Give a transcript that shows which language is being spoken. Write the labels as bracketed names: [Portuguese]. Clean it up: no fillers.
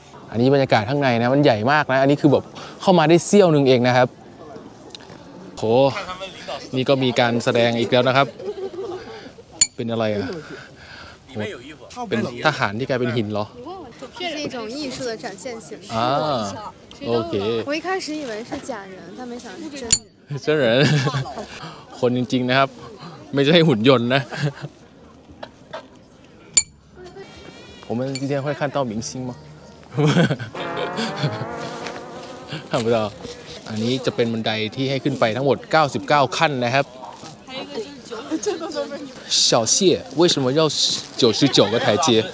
[Thai] อันนี้บรรยากาศข้างในนะมันใหญ่มากนะอันนี้คือแบบเข้ามาได้เสี้ยวนึงเองนะครับโหนี่ก็มีการแสดงอีกแล้วนะครับเป็นอะไรอ่ะเป็นทหารที่กลายเป็นหินเหรอ [Chinese] 是一种艺术的展现形式 [Thai] 啊โอเค [Chinese] 我一开始以为是假人但没想到是真人真人 [Thai] คนจริงๆนะครับไม่ใช่หุ่นยนต์นะผมมัน [Chinese] 今天会看到明星吗看不到 [Thai] อันนี้จะเป็นบันไดที่ให้ขึ้นไปทั้งหมด99ขั้นนะครับ [Chinese] 小谢为什么要99个台阶？